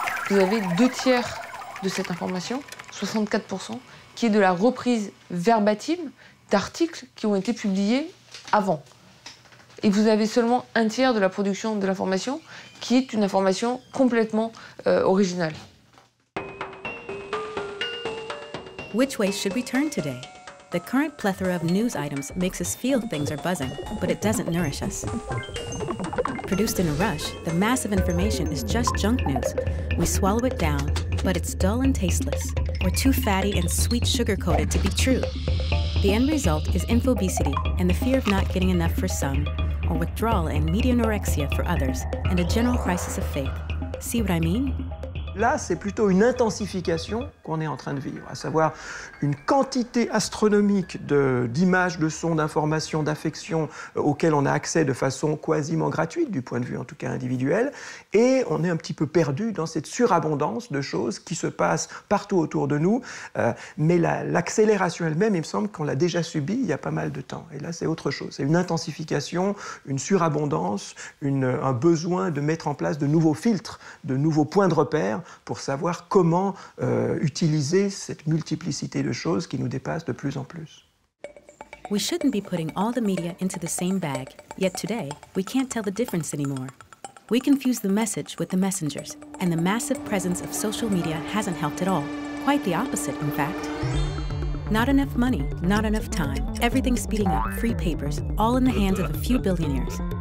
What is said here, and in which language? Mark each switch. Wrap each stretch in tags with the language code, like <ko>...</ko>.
<fr>Vous avez 2/3 de cette information, 64%. Qui est de la reprise verbatim d'articles qui ont été publiés avant. Et vous avez seulement 1/3 de la production de l'information qui est une information complètement originale.</fr> <en>Which way should we turn today? The current plethora of news items makes us feel things are buzzing, but it doesn't nourish us. Produced in a rush, the mass of information is just junk news. We swallow it down, but it's dull and tasteless. Or too fatty and sweet sugar-coated to be true. The end result is infobesity and the fear of not getting enough for some, or withdrawal and media anorexia for others, and a general crisis of faith. See what I mean?</en> <fr>Là, c'est plutôt une intensification qu'on est en train de vivre, à savoir une quantité astronomique d'images, de sons, d'informations, d'affections auxquelles on a accès de façon quasiment gratuite, du point de vue en tout cas individuel, et on est un petit peu perdu dans cette surabondance de choses qui se passent partout autour de nous, mais l'accélération elle-même, il me semble qu'on l'a déjà subie il y a pas mal de temps. Et là, c'est autre chose, c'est une intensification, une surabondance, un besoin de mettre en place de nouveaux filtres, de nouveaux points de repère, pour savoir comment utiliser cette multiplicité de choses qui nous dépasse de plus en plus.</fr> <en>We shouldn't be putting all the media into the same bag, yet today, we can't tell the difference anymore. We confuse the message with the messengers, and the massive presence of social media hasn't helped at all. Quite the opposite, in fact. Not enough money, not enough time, everything speeding up, free papers, all in the hands of a few billionaires.</en>